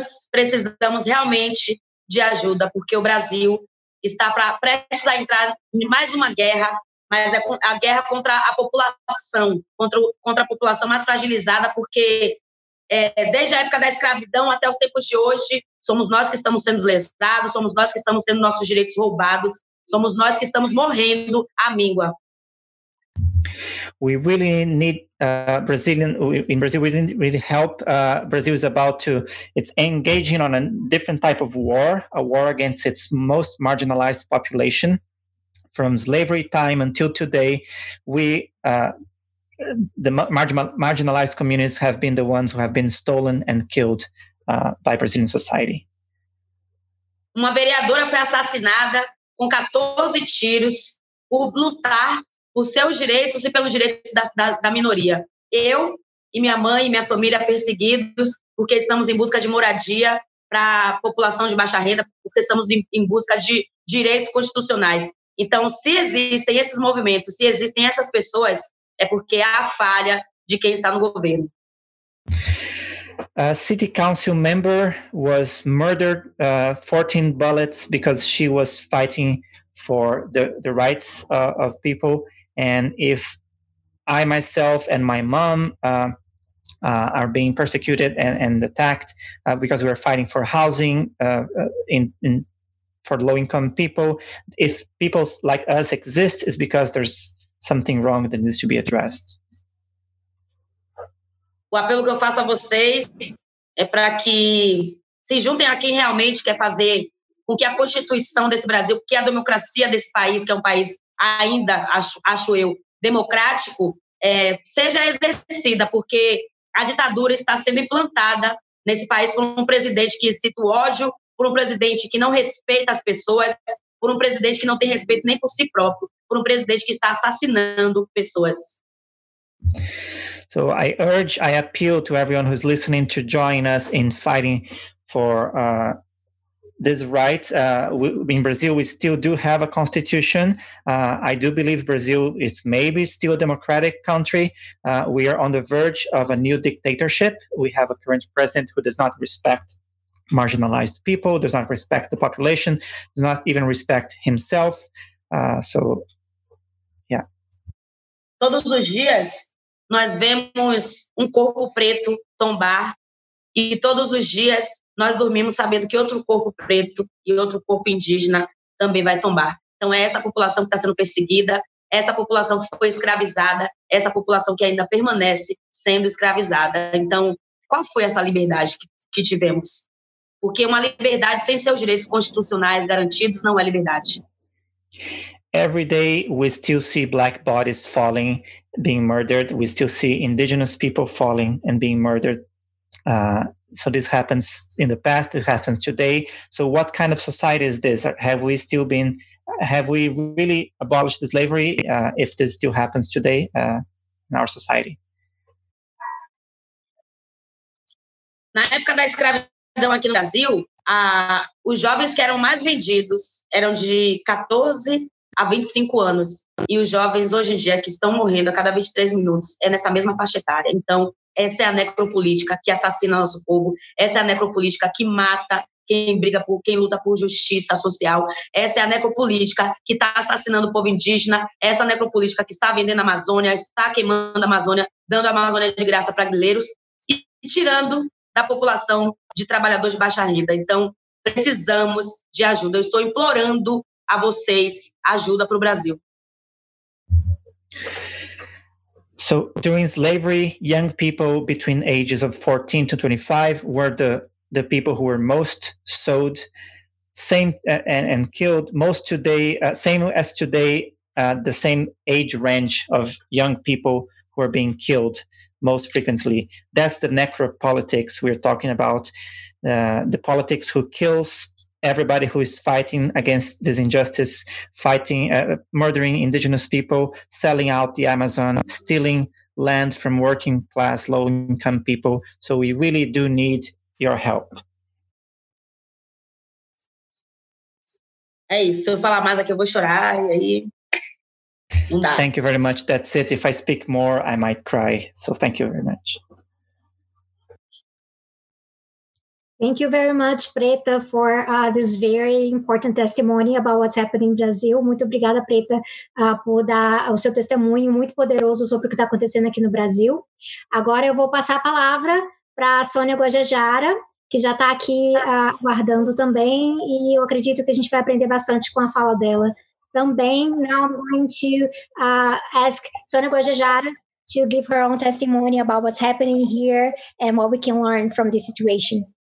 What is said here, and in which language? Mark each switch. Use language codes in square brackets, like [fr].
[pt] Precisamos realmente de ajuda, porque o Brasil está prestes a entrar em mais uma guerra, mas é a guerra contra a população, contra a população mais fragilizada, porque desde a época da escravidão até os tempos de hoje, somos nós que estamos sendo lesados, somos nós que estamos tendo nossos direitos roubados, somos nós que estamos morrendo à míngua. [en] We really need Brazil is about to, it's engaging on a different type of war, a war against its most marginalized population. From slavery time until today, the marginalized communities have been the ones who have been stolen and killed by Brazilian society. [pt] Uma vereadora foi assassinada com 14 tiros por lutar por seus direitos e pelo direito da minoria. Eu e minha mãe e minha família perseguidos porque estamos em busca de moradia para a população de baixa renda, porque estamos em busca de direitos constitucionais. Então, se existem esses movimentos, se existem essas pessoas, é porque há falha de quem está no governo. [en] A city council member was murdered 14 bullets because she was fighting for the rights of people. And if I myself and my mom are being persecuted and attacked because we are fighting for housing in for low-income people, if people like us exist, it's because there's something wrong that needs to be addressed. [pt] O apelo que eu faço a vocês é para que se juntem a quem realmente quer fazer com que a Constituição desse Brasil, que a democracia desse país, que é um país ainda, acho eu, democrático, seja exercida, porque a ditadura está sendo implantada nesse país por um presidente que incita o ódio, por um presidente que não respeita as pessoas, por um presidente que não tem respeito nem por si próprio, por um presidente que está assassinando pessoas. [en] So I appeal to everyone who's listening to join us in fighting for this right. In Brazil, we still do have a constitution. I do believe Brazil is maybe still a democratic country. We are on the verge of a new dictatorship. We have a current president who does not respect marginalized people, does not respect the population, does not even respect himself. [pt] Todos os dias, nós vemos corpo preto tombar e todos os dias nós dormimos sabendo que outro corpo preto e outro corpo indígena também vai tombar. Então é essa população que está sendo perseguida, essa população que foi escravizada, essa população que ainda permanece sendo escravizada. Então, qual foi essa liberdade que tivemos? Porque uma liberdade sem seus direitos constitucionais garantidos não é liberdade. [en] Every day we still see black bodies falling, being murdered. We still see indigenous people falling and being murdered. So this happens in the past, it happens today. So what kind of society is this? Have we really abolished slavery if this still happens today in our society? [pt] Na época da escravidão aqui no Brasil, os jovens que eram mais vendidos eram de 14 a 25 anos. E os jovens hoje em dia que estão morrendo a cada 23 minutos é nessa mesma faixa etária. Então, essa é a necropolítica que assassina nosso povo. Essa é a necropolítica que mata quem briga por quem luta por justiça social. Essa é a necropolítica que está assassinando o povo indígena. Essa necropolítica que está vendendo a Amazônia, está queimando a Amazônia, dando a Amazônia de graça para grileiros e tirando da população de trabalhadores de baixa renda. Então, precisamos de ajuda. Eu estou implorando a vocês ajuda para o Brasil. [en] So during slavery, young people between ages of 14 to 25 were the people who were most sold, and killed. Most today, same as today, the same age range of young people who are being killed most frequently. That's the necropolitics we're talking about, the politics who kills everybody who is fighting against this injustice, murdering indigenous people, selling out the Amazon, stealing land from working class, low income people. So we really do need your help. [pt] É isso. Se eu falar mais aqui, eu vou chorar. E aí, não dá. [en] Thank you very much. That's it. If I speak more, I might cry. So thank you very much. Thank you very much, Preta, for this very important testimony about what's happening in Brazil. [pt] Muito obrigada, Preta, por dar o seu testemunho muito poderoso sobre o que está acontecendo aqui no Brasil. Agora eu vou passar a palavra para a Sônia Guajajara, que já está aqui aguardando também, e eu acredito que a gente vai aprender bastante com a fala dela também. [en] Now I'm going to ask Sônia Guajajara to give her own testimony about what's happening here and what we can learn from this situation.